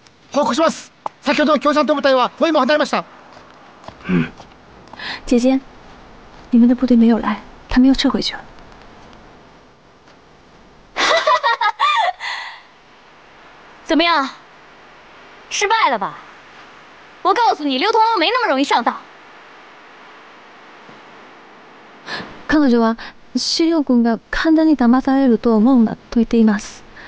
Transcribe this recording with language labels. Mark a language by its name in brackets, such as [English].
[Japanese] 先ほどの共産党部隊は包囲網離れました。 [Chinese] 姐姐，你们的部队没有来，他们又撤回去了。怎么样，失败了吧？我告诉你，刘同龙没那么容易上当。 [Japanese] 彼女は資料君が簡単に騙されると思うなと言っています。